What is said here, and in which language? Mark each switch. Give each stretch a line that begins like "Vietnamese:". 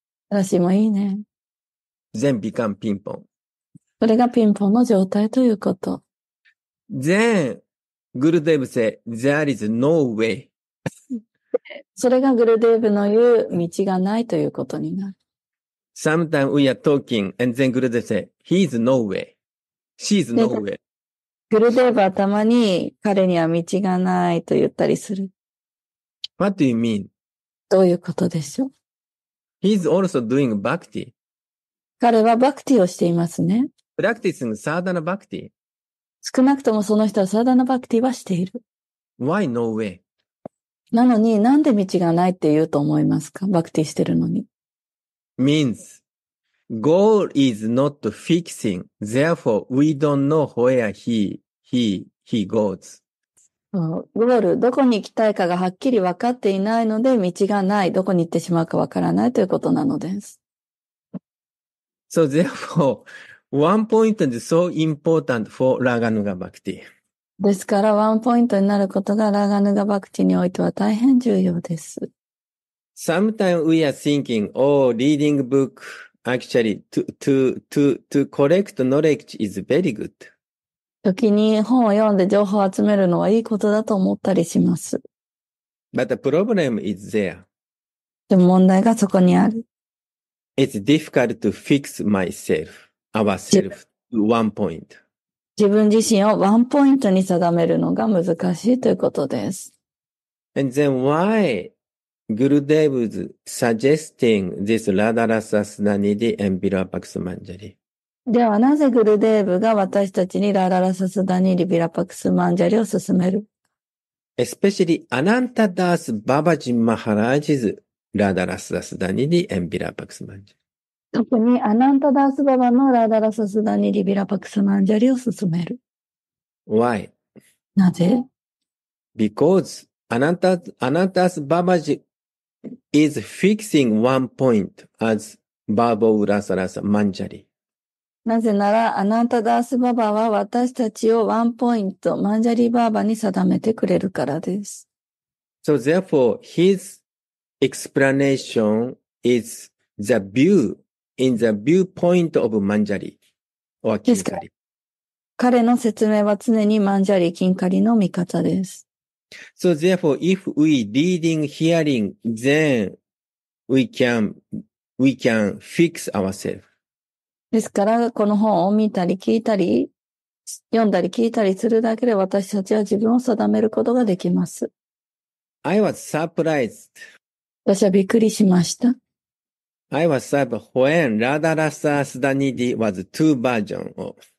Japanese: トラシもいいね。
English: Then become ピンポン。
Japanese: それがピンポンの状態ということ。
English: Then, グルデーブ say, there is no way.
Japanese: それがグルデーブの言う道がないということになる。
English: Sometimes we are talking, and then Gurudev say, he's no way. She's no way.
Japanese: Gurudev はたまに彼には道がないと言ったりする。
English: What do you mean?
Japanese: どういうことでしょう?
English: He's also doing bhakti.
Japanese: 彼はバクティをしていますね。
English: Practicing sadhana bhakti.
Japanese: 少なくともその人はサダナバクティはしている。
English: Why no way?
Japanese: なのに、なんで道がないって言うと思いますか? バクティしてるのに。
English: means, goal is not fixing, therefore we don't know where he goes.
Japanese: ゴール、どこに行きたいかがはっきり分かっていないので、道がない、どこに行ってしまうか分からないということなのです。
English: So therefore, one point is so important for Raghunuga Bhakti.
Japanese: ですから、ワンポイントになることがRaghunuga Bhaktiにおいては大変重要です。
English: Sometimes we are thinking, oh, reading book, actually, to collect knowledge is very good.
Japanese: 時に本を読んで情報を集めるのはいいことだと思ったりします。
English: But the problem is there.
Japanese: でも問題がそこにある。
English: It's difficult to fix myself, ourself, one point.
Japanese: 自分自身をワンポイントに定めるのが難しいということです。
English: And then why Gurudev is suggesting this Radharasa Sudhanidhi and Virapaksa Manjari?
Japanese: ではなぜ Gurudev が私たちに Radharasa Sudhanidhi Virapaksa Manjari を勧める?
English: Especially Ananta Das Babaji Maharaj'sラダラスダスダニリエンビラパクスマンジャ。
Japanese: 特にアナンタダースババのラダラススダニリビラパクスマンジャリを勧める。
English: Why?
Japanese: なぜ
English: ?Because アナンタダースババジ is fixing one point as バーボウラサラサマンジャリ。
Japanese: なぜならアナンタダースババは私たちをワンポイントマンジャリバーバに定めてくれるからです。
English: So therefore, hisexplanation is the view, in the viewpoint of Manjari or Kinkari.
Japanese: 彼の説明は常にマンジャリ、キンカリの見方です。
English: So therefore, if we reading, hearing, then we can fix ourselves.
Japanese: ですから、この本を見たり聞いたり、読んだり聞いたりするだけで私たちは自分を定めることができます。
English: I was surprised.
Japanese: 私はびっくりしました。
English: I was surprised when Radharasa Sudhanidhi was two version of.